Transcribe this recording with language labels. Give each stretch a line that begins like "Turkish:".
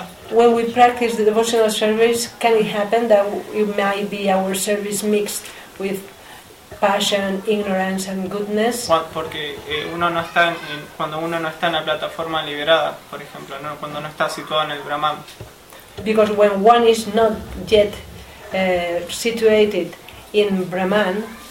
English: When we practice the devotional service, can it happen that it might be our service mixed with passion, ignorance, and goodness?
Spanish: Porque uno no está cuando uno no está en la plataforma liberada, por ejemplo, no cuando no está situado en el Brahman.
English: Because when one is not yet situated in Brahman.